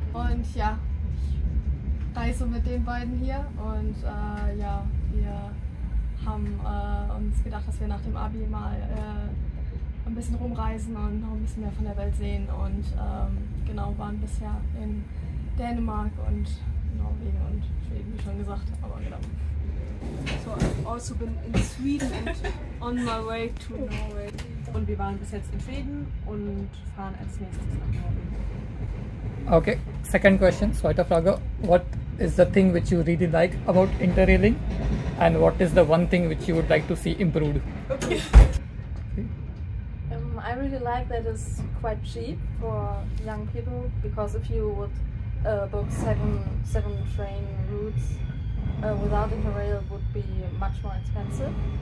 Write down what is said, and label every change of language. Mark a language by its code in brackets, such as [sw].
[de] Und ja, ich reise mit den beiden hier und ja, wir haben uns gedacht, dass wir nach dem Abi mal ein bisschen rumreisen und noch ein bisschen mehr von der Welt sehen und genau, waren bisher in Dänemark und Norwegen und Schweden, wie schon gesagt, aber genau. [en] So, I've also been in Sweden and on my way to Norway. [de] Und wir waren bis jetzt in Schweden und fahren als nächstes nach Norwegen. [en] Okay, second question, [de] zweite Frage. [en] What is the thing which you really like about interrailing? And what is the one thing which you would like to see improved? Okay. I really like that it's quite cheap for young people, because if you would book seven train routes without interrail, would be much more expensive.